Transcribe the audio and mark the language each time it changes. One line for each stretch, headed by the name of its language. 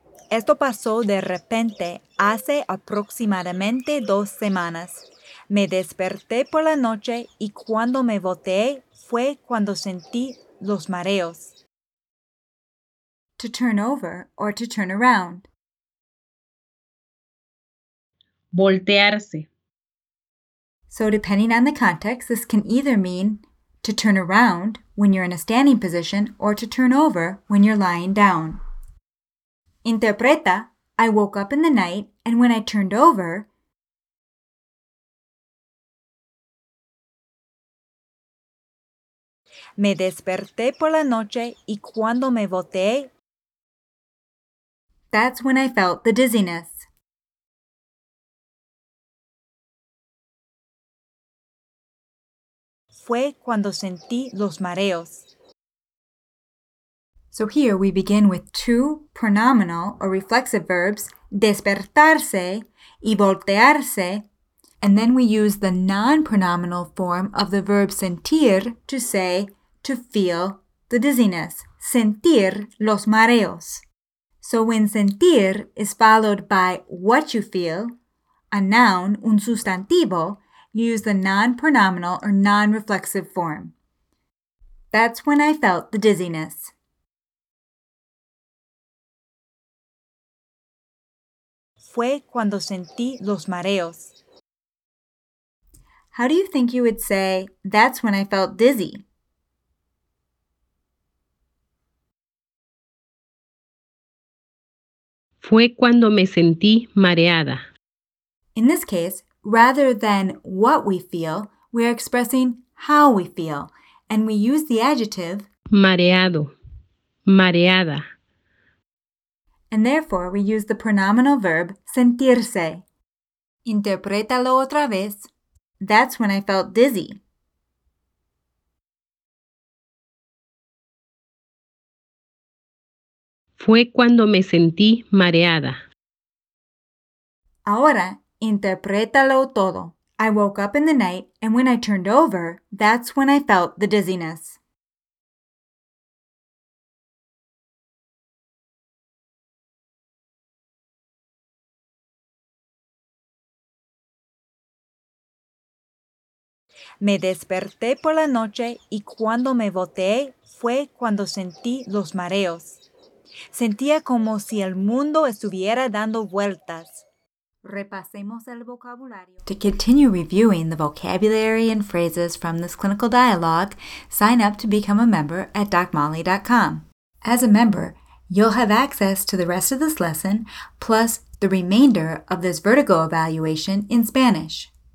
Spanish: Esto pasó de repente hace aproximadamente 2 semanas. Me desperté por la noche y cuando me volteé fue cuando sentí los mareos.
English: To turn over or to turn around.
Spanish: Voltearse.
English: So depending on the context, this can either mean to turn around when you're in a standing position or to turn over when you're lying down.
Spanish: Interpreta,
English: I woke up in the night, and when I turned over,
Spanish: me desperté por la noche y cuando me volteé,
English: that's when I felt the dizziness.
Spanish: Fue cuando sentí los mareos.
English: So here we begin with 2 pronominal or reflexive verbs,
Spanish: despertarse y voltearse,
English: and then we use the non-pronominal form of the verb sentir to say to feel the dizziness,
Spanish: sentir los mareos.
English: So when sentir is followed by what you feel, a noun,
Spanish: un sustantivo,
English: you use the non-pronominal or non-reflexive form. That's when I felt the dizziness.
Spanish: Fue cuando sentí los mareos.
English: How do you think you would say, that's when I felt dizzy?
Spanish: Fue cuando me sentí mareada.
English: In this case, rather than what we feel, we are expressing how we feel, and we use the adjective
Spanish: mareado, mareada.
English: And therefore, we use the pronominal verb sentirse.
Spanish: Interprétalo otra vez.
English: That's when I felt dizzy.
Spanish: Fue cuando me sentí mareada. Ahora, interprétalo todo.
English: I woke up in the night, and when I turned over, that's when I felt the dizziness.
Spanish: Me desperté por la noche y cuando me volteé fue cuando sentí los mareos. Sentía como si el mundo estuviera dando vueltas. Repasemos el vocabulario.
English: To continue reviewing the vocabulary and phrases from this clinical dialogue, sign up to become a member at DocMolly.com. As a member, you'll have access to the rest of this lesson, plus the remainder of this vertigo evaluation in Spanish.